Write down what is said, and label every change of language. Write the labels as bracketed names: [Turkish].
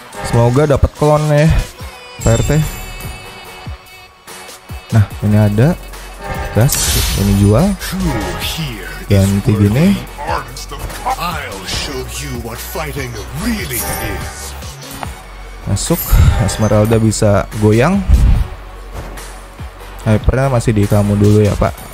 [Indonesian] Semoga dapat klon ya, Pak RT. Nah, ini ada gas, ini jual. Ganti gini. [English] I'll show you what fighting really is. [Indonesian] Masuk, Esmeralda bisa goyang. Hypernya masih di kamu dulu ya pak.